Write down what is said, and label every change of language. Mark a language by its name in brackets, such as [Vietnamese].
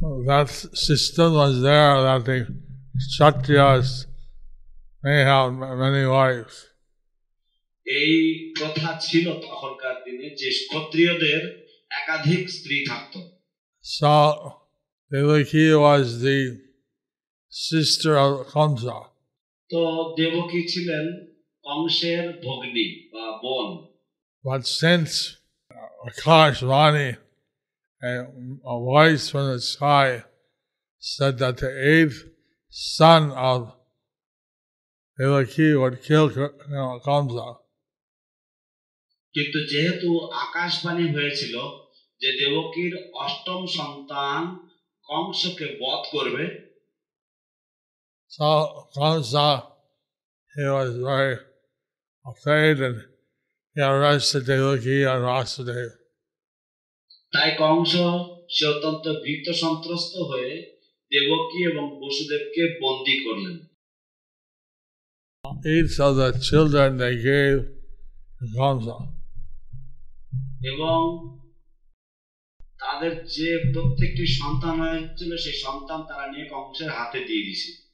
[English] That system was there that the kshatriyas may have many wives. [Bangla] এই কথা ছিল তখনকার দিনে যে ক্ষত্রিয়দের একাধিক স্ত্রী থাকত। [English] So Devaki was the sister of Kamsa. [Bangla] তো দেবকী ছিলেন কংসের ভগ্নী বা বোন। [English] But since Akash Vani, a voice from the sky, said that the 8th son of Devaki would kill Kamsa. [Bangla] কিন্তু যেহেতু আকাশবাণী হয়েছিল যে দেবকীর অষ্টম সন্তান কংসকে বধ করবে, [English] so Kamsa, he was very afraid and he arrested Devaki and Vasudeva. [Bangla] তাই কংস সে অত্যন্ত ভীত সন্ত্রস্ত হয়ে দেবকী এবং বসুদেবকে বন্দী করলেন। [English] Each of the children they gave to Kamsa. [Bangla] এবং তাদের যে প্রত্যেকটি সন্তান হয়েছিল সেই সন্তান তারা নিয়ে কংসের হাতে দিয়ে দিয়েছে।